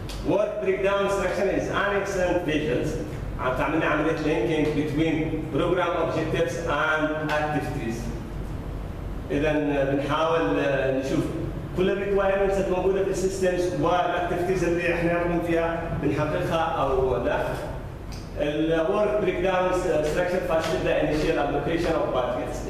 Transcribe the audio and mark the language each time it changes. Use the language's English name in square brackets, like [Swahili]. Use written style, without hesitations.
[English] Work breakdown instruction is an excellent visions. [Arabic] تعملنا عملية [English] linking between program objectives and activities. [Arabic] إذا بنحاول نشوف كل الريكوايرمنتس الموجودة في السيستمز والاكتيفيتيز اللي احنا نعمل فيها بنحققها أو لا. [English] The work breakdown structure facilitates the initial allocation of budgets.